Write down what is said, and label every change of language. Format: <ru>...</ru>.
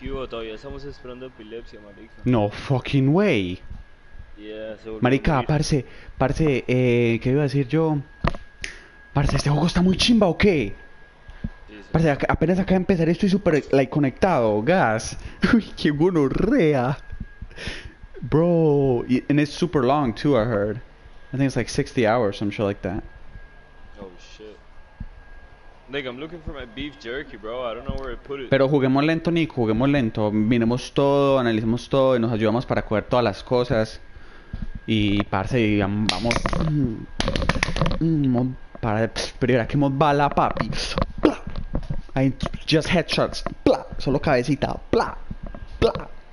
<es>Todavía estamos esperando Epilepsia, marica.</es> <en>No fucking way. Yeah,</en> <es>marica, parce, ¿qué iba a decir yo? Parce, ¿este juego está muy chimba o qué? Sí, parce, apenas acaba de empezar, estoy super like conectado, gas. Uy, qué gonorrea.</es> <en>Bro, and it's super long too, I heard. I think it's like 60 hours, some shit like that. Like, I'm looking for my beef jerky, bro. I don't know where I put it.</en> <es>Pero juguemos lento, Nico. Juguemos lento. Miremos todo, analicemos todo y nos ayudamos para coger todas las cosas. Y, parce, digamos, vamos. Para de... Primera que hemos bala, papi. ¡Pla! Ahí,</es> <en>just headshots.</en> <es>¡Pla! Solo cabecita. ¡Pla! ¡Pla!</es>